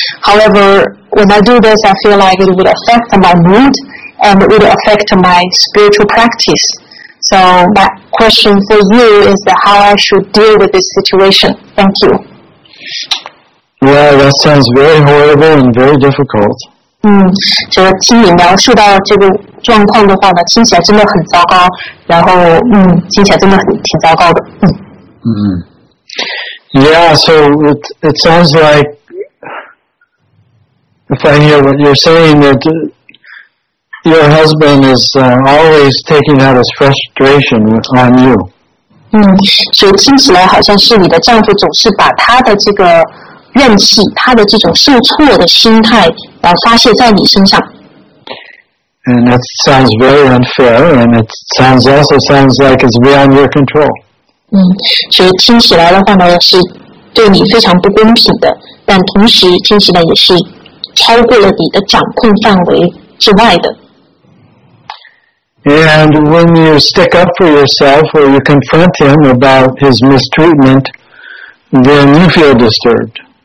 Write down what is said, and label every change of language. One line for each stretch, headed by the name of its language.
English: However, when I do this, I feel like it would affect my mood and it would affect my spiritual practice. So my question for you is that how I should deal with this situation. Thank you. Yeah, that sounds very horrible and very difficult.
Chinese: 就听你描述到这个状况的话呢，听起来真的很糟糕。然后，听起来真的很挺糟糕的。
English: Yeah, so it sounds like if I hear what you're saying that. Your husband is always taking out his frustration on you.
Chinese: 所以听起来好像是你的丈夫总是把他的这个怨气，他的这种受挫的心态，来发泄在你身上。
English: And that sounds very unfair, and it also sounds like it's beyond your control.
Chinese: 所以听起来的话呢，是对你非常不公平的，但同时听起来也是超过了你的掌控范围之外的。
English: And when you stick up for yourself or you confront him about his mistreatment, then you feel disturbed.